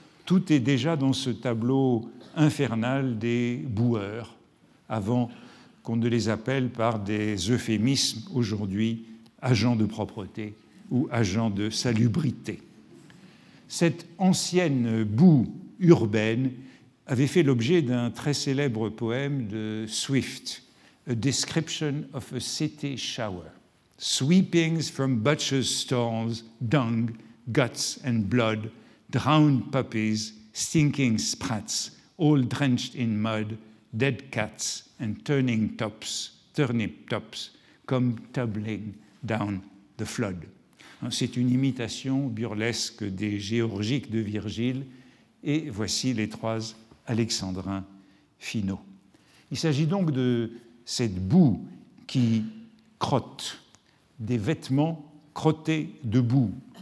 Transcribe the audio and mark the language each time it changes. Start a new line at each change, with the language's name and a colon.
French: Tout est déjà dans ce tableau infernal des boueurs, avant qu'on ne les appelle par des euphémismes aujourd'hui agents de propreté ou agents de salubrité. Cette ancienne boue urbaine avait fait l'objet d'un très célèbre poème de Swift, A Description of a City Shower.
English: Sweepings from butcher's stalls, dung, guts and blood, drowned puppies, stinking sprats, all drenched in mud, dead cats and turnip tops, come tumbling down the flood.
French: C'est une imitation burlesque des Géorgiques de Virgile, et voici les trois alexandrins finaux. Il s'agit donc de cette boue qui crotte, des vêtements crottés de boue.